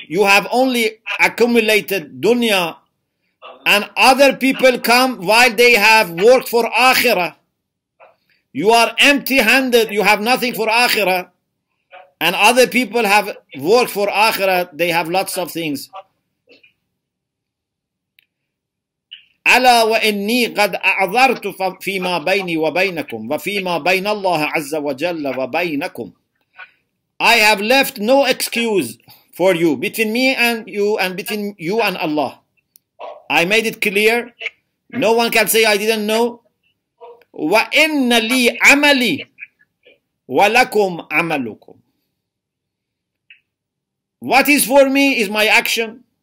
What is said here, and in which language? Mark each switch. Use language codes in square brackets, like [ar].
[en] You have only accumulated dunya, and other people come while they have worked for akhirah. You are empty-handed. You have nothing for akhirah, and other people have worked for akhirah. They have lots of things. [ar] ألا وإني قد أعذرت فيما بيني وبينكم وفيما بين الله عز وجل وبينكم. [en] I have left no excuse for you, between me and you, and between you and Allah. I made it clear. No one can say I didn't know. [ar] وإن لي عملي ولكم عملكم. [en] What is for me is my action,